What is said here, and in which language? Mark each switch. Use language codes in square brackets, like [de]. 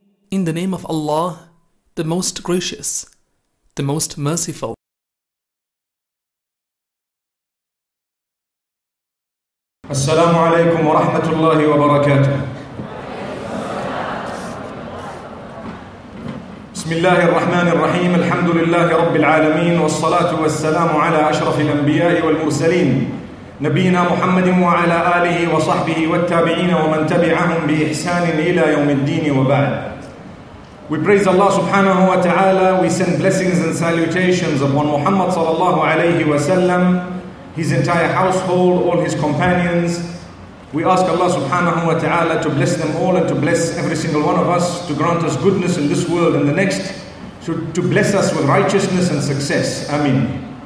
[en] In the name of Allah, the Most Gracious, the Most Merciful. [ar] السلام عليكم ورحمة الله وبركاته. بسم الله الرحمن الرحيم. الحمد لله رب العالمين، والصلاة والسلام على أشرف الأنبياء والمرسلين، نبينا محمد وعلى آله وصحبه والتابعين ومن تبعهم بإحسان إلى يوم الدين وبعد. [en] We praise Allah subhanahu wa ta'ala. We send blessings and salutations upon Muhammad sallallahu alayhi wa sallam, his entire household, all his companions. We ask Allah subhanahu wa ta'ala to bless them all and to bless every single one of us, to grant us goodness in this world and the next, to bless us with righteousness and success. Ameen.